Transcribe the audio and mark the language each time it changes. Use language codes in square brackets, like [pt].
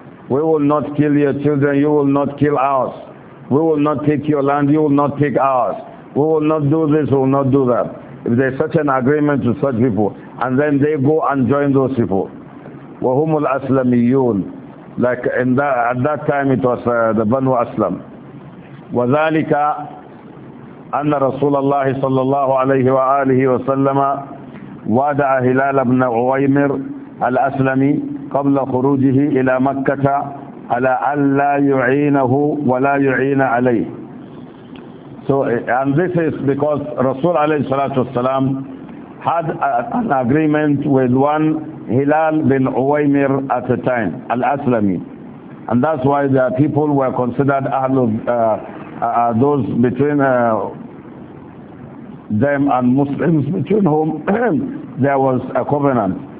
[en] We will not kill your children, you will not kill ours. We will not take your land, you will not take ours. We will not do this, we will not do that. If there is such an agreement to such people, and then they go and join those people. [ar] وَهُمُ الْأَسْلَمِيُّونَ. [en] Like in that, at that time it was the Banu Aslam. [ar] وَذَلِكَ أن رسول الله صلى الله عليه وآله وسلم وادع هلال بن عويمر الأسلمي قبل خروجه إلى مكة على ألا يعينه ولا يعين عليه. [en] So and this is because [ar] رسول عليه الصلاة والسلام [en] had an agreement with one هلال بن عويمر at the time, الأسلمي, and that's why the people were considered أهل those between them and Muslims, between whom there was a covenant.